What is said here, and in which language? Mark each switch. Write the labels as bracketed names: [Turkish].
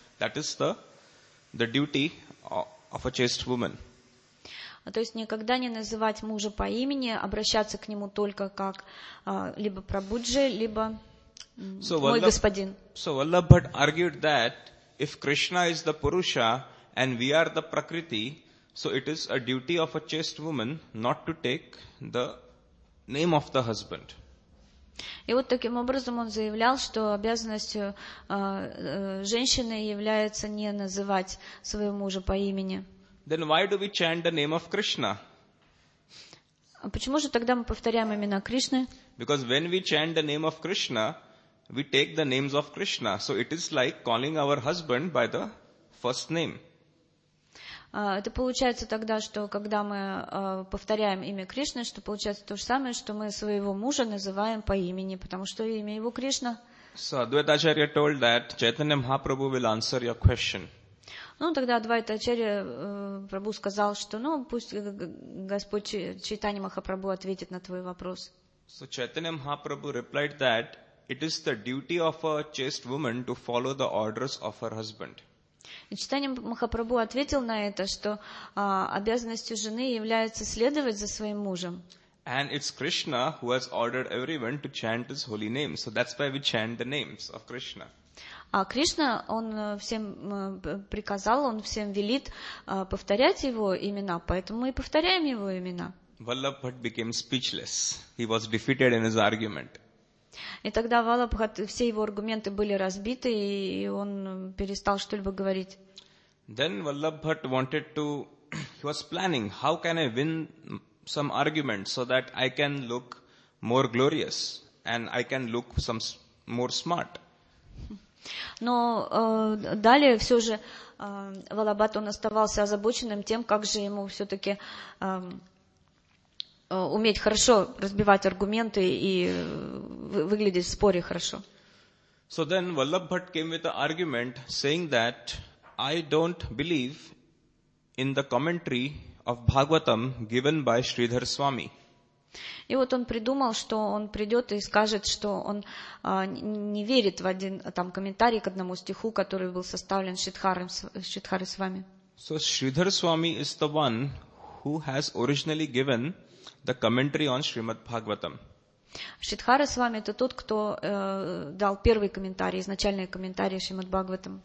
[English] That is the duty of a chaste woman. [Russian] То есть никогда не называть мужа по имени, обращаться к нему только как либо Прабуджи, либо мой господин. [English] So Vallabh Bhatt argued that if Krishna is the Purusha and we are the Prakriti, so it is a duty of a chaste woman not to take the name of the husband. [Russian] И вот таким образом он заявлял, что обязанностью женщины является не называть своего мужа по имени. [English] Then why do we chant the name of Krishna? [Russian] Почему же тогда мы повторяем имена Кришны? [English] Because when we chant the name of Krishna, we take the names of Krishna. So it is like calling our husband by the first name. [Russian] Это получается тогда, что когда мы повторяем имя Кришны, что получается то же самое, что мы своего мужа называем по имени, потому что имя его Кришна. [English] So Advaita Acharya told that Chaitanya Mahaprabhu will answer your question. [Russian] Ну, тогда Advaita Acharya Прабху сказал, что ну пусть Господь Чайтанья Махапрабху ответит на твой вопрос. [English] So Chaitanya Mahaprabhu replied that it is the duty of a chaste woman to follow the orders of her husband. [Russian] И Чайтанья Махапрабху ответил на это, что обязанностью жены является следовать за своим мужем. [English] And it's Krishna who has ordered everyone to chant his holy name. So that's why we chant the names of Krishna. [Russian] А Кришна, он всем приказал, он всем велит повторять его имена, поэтому мы и повторяем его имена. [English] Vallabh Bhatt became speechless. He was defeated in his argument. [Russian] И тогда Валабхат, все его аргументы были разбиты, и он перестал что-либо говорить. [English] Then Vallabhat wanted to, he was planning, how can I win some arguments so that I can look more glorious and I can look some more smart. [Russian] Но далее все же Валабхат, он оставался озабоченным тем, как же ему все-таки уметь хорошо разбивать аргументы и выглядеть в споре хорошо. [English] So then Vallabhat came with an argument saying that I don't believe in the commentary of Bhagavatam given by Sridhar Swami. [Russian] И вот он придумал, что он придет и скажет, что он не верит в один там комментарий к одному стиху, который был составлен Шридхарой Свами. [English] So Sridhar Swami is the one who has originally given the commentary on Srimad Bhagavatam. [Russian] Шридхара Свами это тот, кто дал первый комментарий, изначальный комментарий Шримад Бхагаватам.